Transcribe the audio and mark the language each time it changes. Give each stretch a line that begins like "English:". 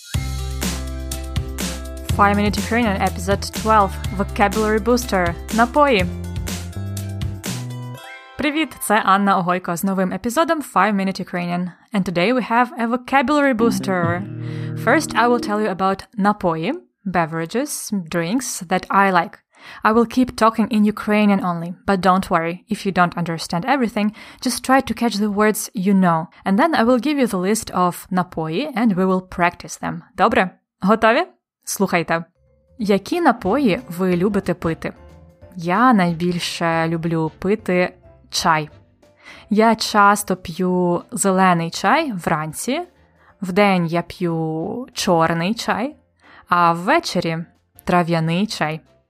English: 5 Minute Ukrainian, Episode 12 – Vocabulary Booster – Напої!
Ukrainian: Привіт, це Анна Огойко з новим епізодом 5 Minute Ukrainian.
English: And today we have a vocabulary booster. First, I will tell you about напої – beverages, drinks that I like. I will keep talking in Ukrainian only, but don't worry, if you don't understand everything, just try to catch the words you know. And then I will give you the list of напої and we will practice them.
Ukrainian: Добре? Готові? Слухайте. Які напої ви любите пити? Я найбільше люблю пити чай. Я часто п'ю зелений чай вранці, вдень я п'ю чорний чай, а ввечері трав'яний чай.